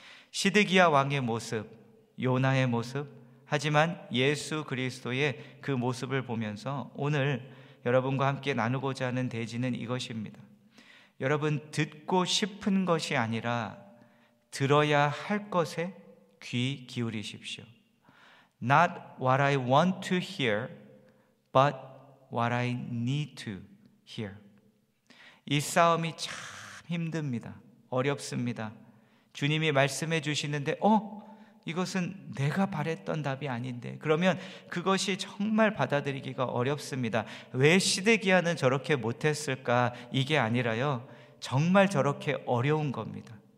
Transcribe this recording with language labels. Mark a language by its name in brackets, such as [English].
[Korean] 시드기야 왕의 모습, 요나의 모습, 하지만 예수 그리스도의 그 모습을 보면서 오늘 여러분과 함께 나누고자 하는 대지는 이것입니다. 여러분, 듣고 싶은 것이 아니라 들어야 할 것에 귀 기울이십시오. [English] Not what I want to hear, but what I need to hear. [Korean] 이 싸움이 참 힘듭니다. 어렵습니다. 주님이 말씀해 주시는데 이것은 내가 바랬던 답이 아닌데, 그러면 그것이 정말 받아들이기가 어렵습니다. 왜 시드기야는 저렇게 못했을까? 이게 아니라요, 정말 저렇게 어려운 겁니다.